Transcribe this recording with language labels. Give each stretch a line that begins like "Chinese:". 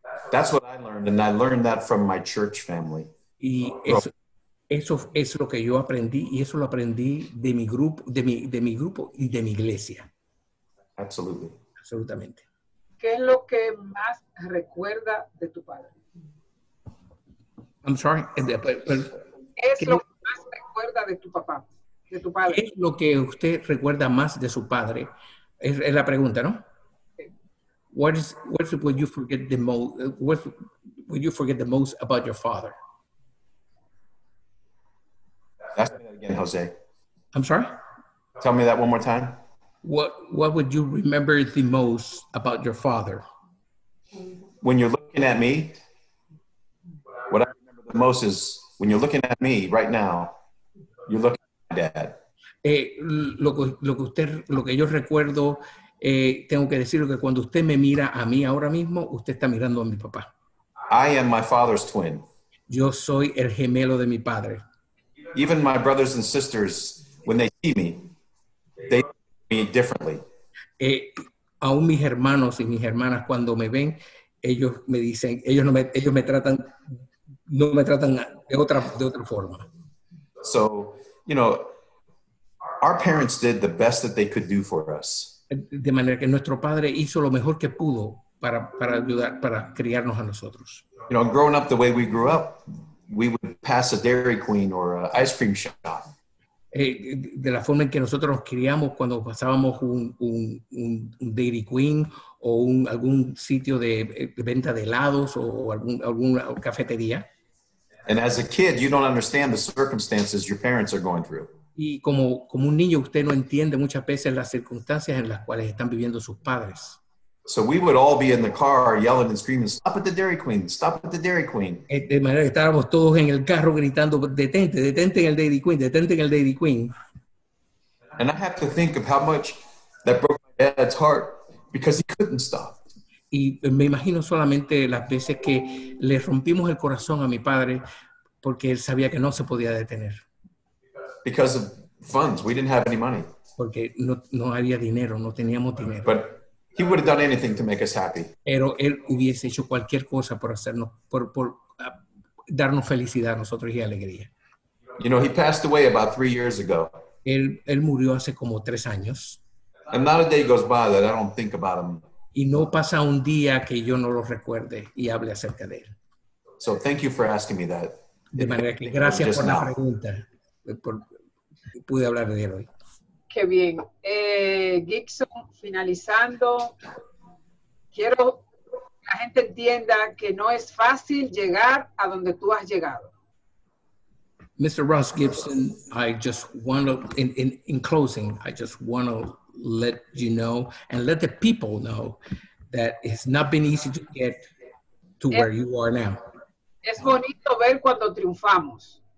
English: That's what I learned, and I learned that from my church family.
Spanish: Y eso es lo que yo aprendí, y eso lo aprendí de mi grupo, de mi grupo y de mi iglesia.
English: Absolutely.
Spanish: Absolutamente. ¿Qué es lo que más recuerda de tu padre?
English: I'm sorry. But
Spanish: ¿Qué es lo que más recuerda de tu papá? De tu padre. ¿Qué es lo que usted recuerda más de su padre? Es la pregunta, ¿no?
English: What would you forget the most about your father? Ask me that again, Jose. I'm sorry? Tell me that one more time. What would you remember the most about your father? When you're looking at me, what I remember the most is when you're looking at me right now, you're looking at my dad.
Spanish: Lo que yo recuerdo, tengo que decir que cuando usted me mira a mí ahora mismo, usted está mirando a mi papá.
English: I am my father's twin.
Spanish: Yo soy el gemelo de mi padre.
English: Even my brothers and sisters, when they see me, they see me differently.
Spanish: Aún mis hermanos y mis hermanas cuando me ven, ellos me dicen, ellos no me tratan de otra forma.
English: So, you know, our parents did the best that they could do for us.
Spanish: De manera que nuestro padre hizo lo mejor que pudo para ayudar, para criarnos a nosotros.
English: you know, growing up the way we grew up, we would pass a Dairy Queen or an ice cream shop.
Spanish: De la forma en que nosotros nos criamos cuando pasábamos un Dairy Queen o algún sitio de venta de helados o alguna cafetería.
English: And as a kid, you don't understand the circumstances your parents are going through.
Spanish: Y como un niño, usted no entiende muchas veces las circunstancias en las cuales están viviendo sus padres.
English: So we would all be in the car yelling and screaming, stop at the Dairy Queen, stop at the Dairy Queen.
Spanish: De manera que estábamos todos en el carro gritando, detente, detente en el Dairy Queen, detente en el Dairy Queen.
English: And I have to think of how much that broke my dad's heart because he couldn't stop.
Spanish: Y me imagino solamente las veces que le rompimos el corazón a mi padre porque él sabía que no se podía detener.
English: Because of funds, we didn't have any money.
Spanish: Porque no había dinero, no teníamos dinero.
English: But he would have done anything to make us happy.
Spanish: Pero él hubiese hecho cualquier cosa por hacernos, por darnos felicidad a nosotros y alegría.
English: You know, he passed away about 3 years ago.
Spanish: Él murió hace como 3 años.
English: And not a day goes by that I don't think about him.
Spanish: Y no pasa un día que yo no lo recuerde y hable acerca de él.
English: So thank you for asking me that.
Spanish: De manera que gracias por la pregunta. Pude hablar de él hoy. Qué bien. Gixon, finalizando, quiero que la gente entienda que no es fácil llegar a donde tú has llegado.
English: Mr. Ross Gibson, I just want to, in closing, I just want to let you know and let the people know that it's not been easy to get to where you are now.
Spanish: Es bonito ver cuando triunfamos.